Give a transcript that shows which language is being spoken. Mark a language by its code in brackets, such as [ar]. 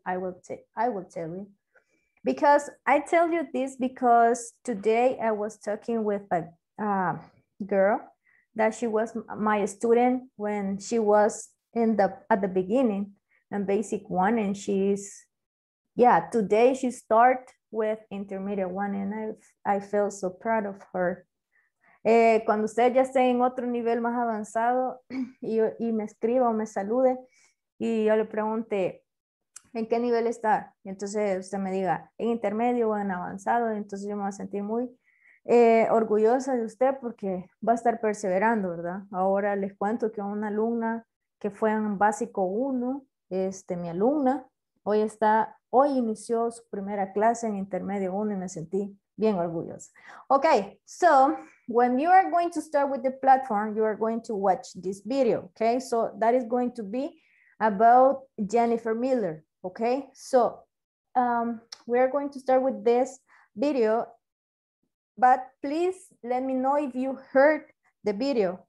[en] I will tell you. Because I tell you this because today I was talking with a girl that she was my student when she was at the beginning and basic one, and today she start with intermediate one, and I feel so proud of her. [es] Cuando usted ya esté en otro nivel más avanzado y me escriba o me salude y yo le pregunte en qué nivel está, y entonces usted me diga en intermedio o en avanzado, entonces yo me voy a sentir muy orgullosa de usted, porque va a estar perseverando, ¿verdad? Ahora les cuento que una alumna que fue en básico 1, mi alumna, hoy inició su primera clase en intermedio 1 y me sentí bien orgullosa. [en] Okay, so when you are going to start with the platform, you are going to watch this video, okay? So that is going to be about Jennifer Miller, okay? So we are going to start with this video. But please let me know if you heard the video.